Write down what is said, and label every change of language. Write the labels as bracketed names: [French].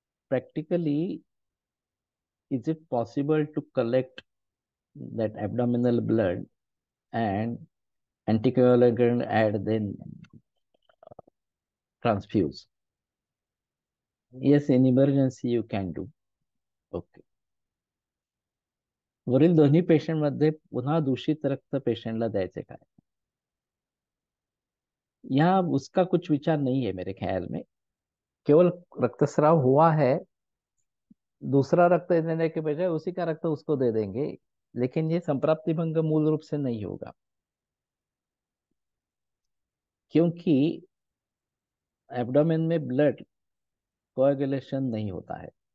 [English] Practically is it possible to collect that abdominal blood and anticoagulant add then transfuse? Yes, in emergency you can do. [Marathi] Okay, वरील दोन्ही patient मध्ये पुन्हा दूषित रक्त पेशंटला द्यायचे काय? [Hindi] यहाँ उसका कुछ विचार नहीं है मेरे ख्याल में, केवल रक्तस्राव हुआ है, दूसरा रक्त देने के बजाय उसी का रक्त उसको दे देंगे, लेकिन ये संप्राप्ति भंग मूल रूप से नहीं होगा, क्योंकि एब्डोमेन में ब्लड कोएगुलेशन नहीं होता है।